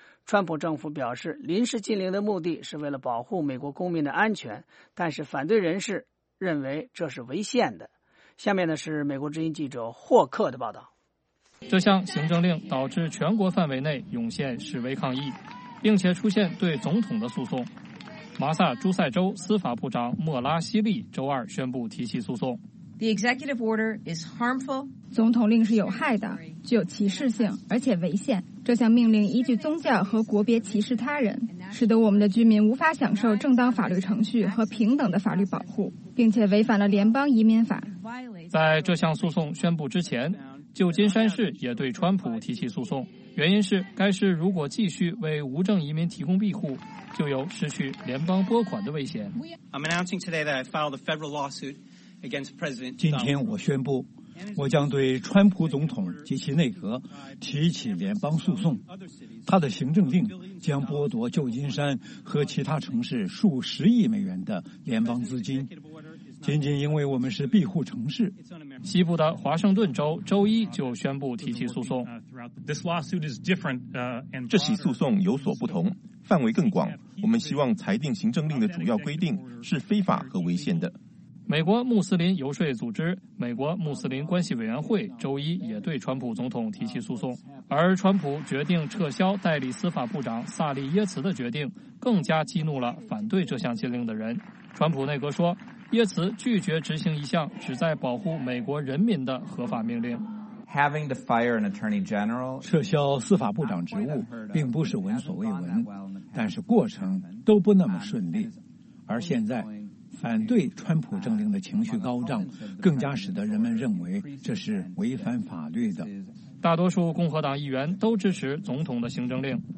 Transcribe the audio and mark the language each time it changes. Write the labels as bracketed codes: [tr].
[zh] 川普政府表示，临时禁令的目的是为了保护美国公民的安全，但是反对人士认为这是违宪的。下面呢是美国之音记者霍克的报道。这项行政令导致全国范围内涌现示威抗议，并且出现对总统的诉讼。马萨诸塞州司法部长莫拉西利周二宣布提起诉讼。 [en] The executive order is harmful. [zh] 总统令是有害的，具有歧视性，而且违宪。这项命令依据宗教和国别歧视他人，使得我们的居民无法享受正当法律程序和平等的法律保护，并且违反了联邦移民法。在这项诉讼宣布之前，旧金山市也对川普提起诉讼，原因是该市如果继续为无证移民提供庇护，就有失去联邦拨款的危险。 [en] I'm announcing today that I filed a federal lawsuit against President Trump. [zh] 今天我宣布，我将对川普总统及其内阁提起联邦诉讼。他的行政令将剥夺旧金山和其他城市数十亿美元的联邦资金。仅仅因为我们是庇护城市，西部的华盛顿州周一就宣布提起诉讼。这起诉讼有所不同，范围更广。我们希望裁定行政令的主要规定是非法和违宪的。美国穆斯林游说组织美国穆斯林关系委员会周一也对川普总统提起诉讼，而川普决定撤销代理司法部长萨利耶茨的决定，更加激怒了反对这项禁令的人。川普内阁说，耶茨拒绝执行一项旨在保护美国人民的合法命令。 [en] Having to fire an attorney general, [zh] 撤销司法部长职务并不是闻所未闻，但是过程都不那么顺利。而现在，反对川普政令的情绪高涨，更加使得人们认为这是违反法律的。大多数共和党议员都支持总统的行政令。